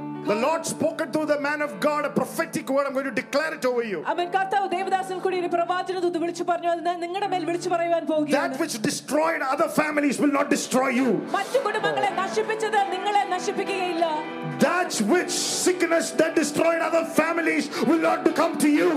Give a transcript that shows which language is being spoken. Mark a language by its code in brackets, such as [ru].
[en] The Lord spoke to the man of God a prophetic word. I'm going to declare it over you. Amen. [ml] കർത്താവ് ദേവദാസൻ കൂടി ഒരു പ്രവാചനത്തെ വിളിച്ചു പറഞ്ഞു അത് ഞാൻ നിങ്ങളുടെ മേൽ വിളിച്ചു പറയുവാൻ പോകുകയാണ്. [en] That which destroyed other families will not destroy you. [ml] മറ്റു കുടുംബങ്ങളെ നശിപ്പിച്ചത് നിങ്ങളെ നശിപ്പിക്കുകയില്ല. [en] That which sickness that destroyed other families will not come to you.